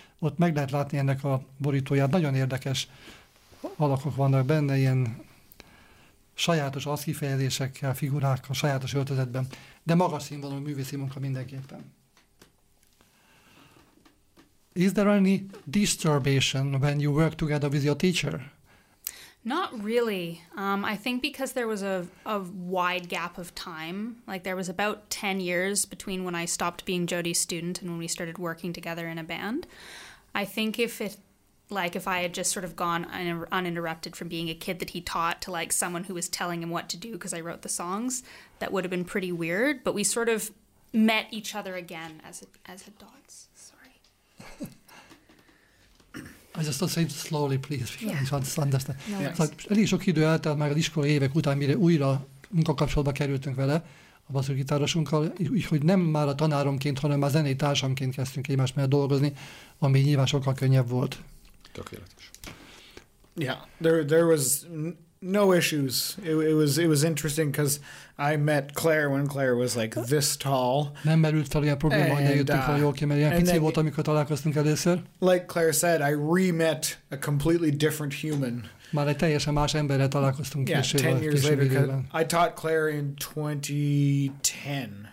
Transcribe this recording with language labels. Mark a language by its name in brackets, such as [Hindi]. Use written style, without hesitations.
[Hungarian] ott meg lehet látni ennek a borítóját. Nagyon érdekes alakok vannak benne, ilyen sajátos aszkifejezésekkel, figurákkal, sajátos öltözetben. De magas színvonalú művészi munka mindenképpen. [English] Is there any disturbation when you work together with your teacher? Not really. I think because there was a wide gap of time, like there was about 10 years between when I stopped being Jody's student and when we started working together in a band. I think if I had just sort of gone uninterrupted from being a kid that he taught to like someone who was telling him what to do because I wrote the songs, that would have been pretty weird. But we sort of met each other again as adults. I just want to say slowly, please, because yeah. I just understand. No, yeah. [Hungarian] So, elég sok idő eltelt már az iskola évek után, mire újra munkakapcsolatba kerültünk vele, a basszusgitárosunkkal, úgyhogy nem már a tanáromként, hanem már zenei társamként kezdtünk egymás mellett dolgozni, ami nyilván sokkal könnyebb volt. Tökéletes. [English] Yeah, there was no issues. It was interesting because I met Claire when Claire was like this tall. [Hungarian] Nem merült fel ilyen probléma, hogy eljöttünk fel, jól ki, mert ilyen pici volt, amikor találkoztunk először. [English] Like Claire said, I re-met a completely different human. [Hungarian] Már egy teljesen más emberrel találkoztunk később. [English] Yeah, 10 years later, because I taught Claire in 2010.